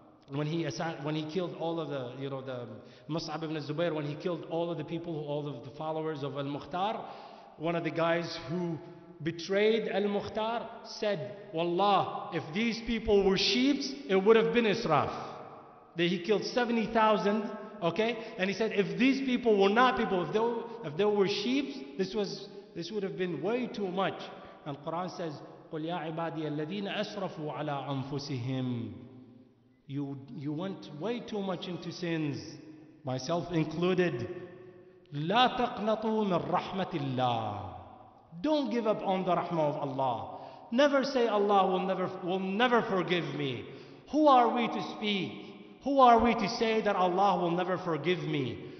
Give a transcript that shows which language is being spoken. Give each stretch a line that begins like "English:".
English: when he assigned, when he killed all of the, you know, the Mus'ab ibn Zubair, when he killed all of the people, all of the followers of Al-Mukhtar, one of the guys who betrayed Al-Mukhtar said, Wallah, if these people were sheep, it would have been Israf. That he killed 70,000, okay? And he said, if these people were not people, if they were sheep, this would have been way too much. And Quran says,
Arabic: قُلْ يَا عِبَادِيَ الَّذِينَ أَسْرَفُوا عَلَىٰ أَنفُسِهِمْ.
English: You went way too much into sins, myself included.
Arabic: لَا تَقْنَطُوا مِن رَحْمَةِ اللَّهِ.
English: Don't give up on the rahmah of Allah. Never say Allah will never forgive me. Who are we to speak? Who are we to say that Allah will never forgive me?